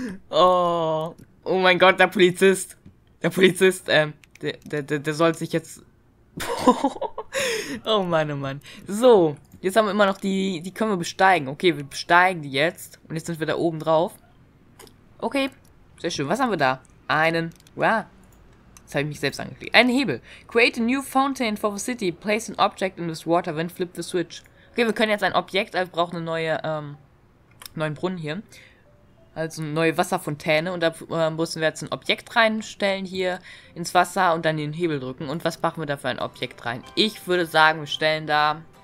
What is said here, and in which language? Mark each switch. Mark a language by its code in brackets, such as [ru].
[de] Oh mein Gott, der Polizist. Der soll sich jetzt... Oh Mann. So, jetzt haben wir immer noch die können wir besteigen. Okay, wir besteigen die jetzt. Und jetzt sind wir da oben drauf. Okay, sehr schön. Was haben wir da? Jetzt habe ich mich selbst angeklickt. Ein Hebel. [en] Create a new fountain for the city. Place an object in this water, then flip the switch. [de] Okay, wir können jetzt ein Objekt, also wir brauchen eine neue, neuen Brunnen hier. Also eine neue Wasserfontäne. Und da müssen wir jetzt ein Objekt reinstellen hier ins Wasser und dann den Hebel drücken. Und was machen wir da für ein Objekt rein? Ich würde sagen, wir stellen da...